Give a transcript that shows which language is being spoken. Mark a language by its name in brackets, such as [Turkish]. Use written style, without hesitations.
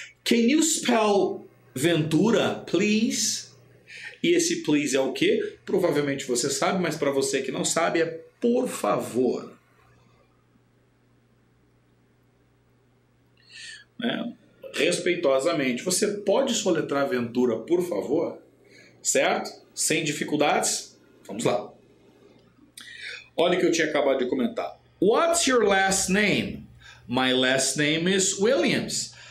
[English] Can you spell Ventura, please? [Portuguese] E esse please é o quê? Provavelmente você sabe, mas para você que não sabe, é por favor. Né? Respeitosamente, você pode soletrar Ventura, por favor? Certo? Sem dificuldades? Vamos lá. Olha o que eu tinha acabado de comentar. [English] What's your last name? My last name is Williams.